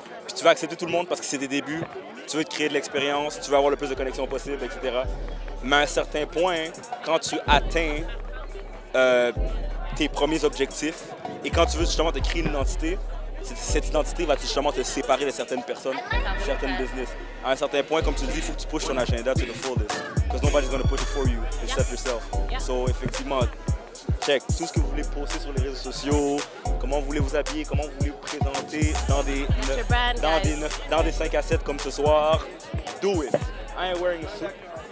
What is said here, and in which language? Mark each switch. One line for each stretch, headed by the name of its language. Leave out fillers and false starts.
French: Puis tu veux accepter tout le monde parce que c'est des débuts. Tu veux te créer de l'expérience, tu veux avoir le plus de connexions possible, etc. Mais à un certain point, quand tu atteins tes premiers objectifs et quand tu veux justement te créer une identité, cette identité va justement te séparer de certaines personnes, certaines business. À un certain point, comme tu dis, il faut que tu pushes ton agenda
English: to the fullest. Because nobody's going to push it for you except yourself. Yeah.
French: So, effectivement, check tout ce que vous voulez poster sur les réseaux sociaux, comment vous voulez vous habiller, comment vous voulez vous présenter dans des 5 à 7 comme ce soir.
English: Do it. I ain't wearing a suit.